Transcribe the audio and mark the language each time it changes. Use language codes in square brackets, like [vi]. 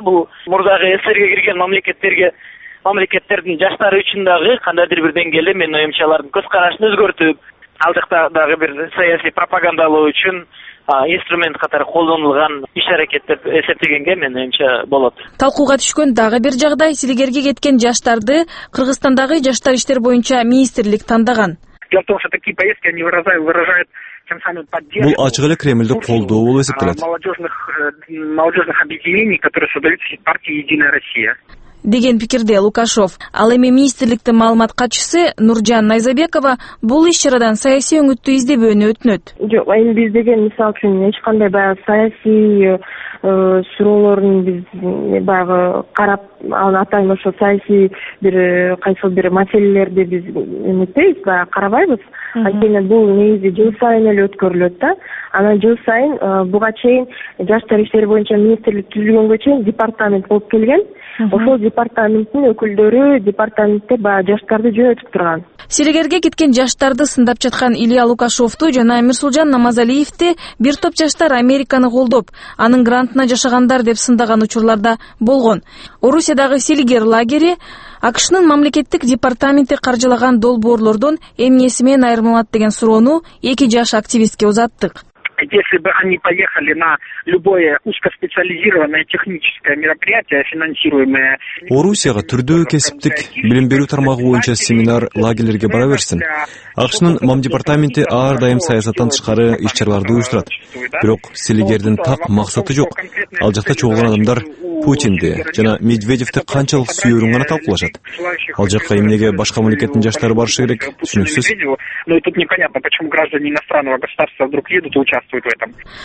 [ky] Бул мурдагы СССРге кирген мамлекеттердин жаштары үчүн дагы кандайдыр бир деңгээлде менин оюмча алардын көз карашын өзгөртүп, ал жакта дагы бир саясий пропагандалоо үчүн инструмент катары колдонулган иш аракет деп эсептегенге менин оюмча болот. Талкууга түшкөн дагы бир жагдай, силигерге кеткен жаштарды Кыргызстандагы жаштар иштер боюнча министрлик тандаган. [ru] Дело в том, что такие поездки они выражают тем самым поддержку. [ky] Бул ачык эле Кремльди колдоо болуп эсептелет. [ru] Молодежных объединений, которые создаются партией Единая Россия. [ky] Деген пикирде Лукашов. Ал эми министрликтин маалымат катчысы Нуржан Найзабекова бул иш чарадан саясий өңүттү издебөөнү өтүнөт. Жок, эми биз деген мисалы үчүн эч кандай баягы саясий суроолорун биз баягы карап анын атайын ошо саясий бир кайсыл бир маселелерди биз эметпейбиз, баягы карабайбыз. Анткени бул негизи жыл сайын эле өткөрүлөт да. Анан жыл сайын буга чейин жаштар иштери боюнча министрлик түзүлгөнгө чейин департамент болуп келген. Ошол департаменттин өкүлдөрү департаментте баягы жаштарды жөнөтүп турган. Силигерге кеткен жаштарды сындап жаткан Илья Лукашовду жана Мирсулжан Намазалиевди бир топ жаштар Американы колдоп, анын грантына жашагандар деп сындаган учурларда болгон. Орусиядагы силигер лагери АКШнын мамлекеттик департаменти каржылаган долбоорлордон эмнесинен айырмаланат деген суроону эки жаш активистке узаттык. [ru] Если бы они поехали на любое узкоспециализированное техническое мероприятие, финансируемое. [ky] Орусияга түрдүү кесиптик билим берүү тармагы боюнча семинар лагерлерге бара берсин. АКШнын мам департаменти ар дайым саясаттан тышкары иш чараларды уюштурат. Бирок силигердин так максаты жок. Ал жакта чогулган адамдар Путинди жана Медведевди канчалык сүйөрүн гана талкуулашат. Ал жакка эмнеге башка мамлекеттин жаштары барышы керек? Түшүнүксүз. [ru] Но тут непонятно, почему граждане иностранного государства вдруг едут и участвуют в этом.